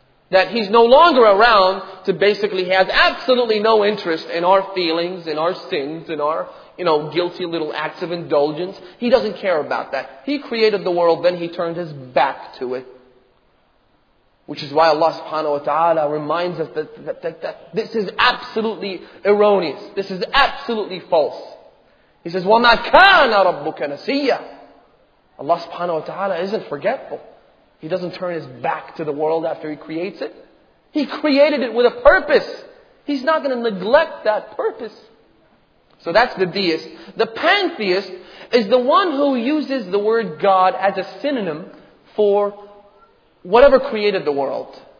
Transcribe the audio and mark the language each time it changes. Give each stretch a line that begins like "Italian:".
English: That he's no longer around to basically have absolutely no interest in our feelings, in our sins, in our, you know, guilty little acts of indulgence. He doesn't care about that. He created the world, then he turned his back to it. Which is why Allah subhanahu wa ta'ala reminds us that this is absolutely erroneous. This is absolutely false. He says,
Arabic: وَمَا كَانَ رَبُّكَ نَسِيَّ.
English: Allah subhanahu wa ta'ala isn't forgetful. He doesn't turn his back to the world after he creates it. He created it with a purpose. He's not going to neglect that purpose. So that's the deist. The pantheist is the one who uses the word God as a synonym for whatever created the world.